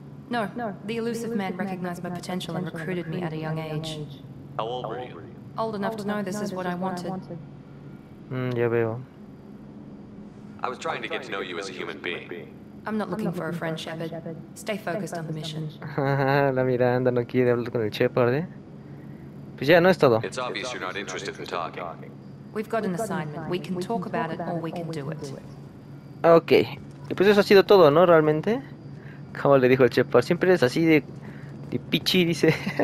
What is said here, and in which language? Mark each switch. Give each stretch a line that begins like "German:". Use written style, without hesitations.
English: No, the elusive man recognized my potential and recruited me at a young age. How old were you? Old enough to know this is what I wanted.
Spanish: Ya veo.
English: I was trying to get to know you as a human being. I'm not looking for a friend, Shepard. Stay focused on the mission.
Spanish: La Miranda no quiere hablar con el Shepard, ¿eh? Pues ya, no es todo.
English: It's obvious you're not interested in talking. We've got an assignment. We can talk about it or we can do it.
Spanish: Ok, y pues eso ha sido todo, ¿no? Realmente, como le dijo el Shepard, siempre es así de pichi, dice.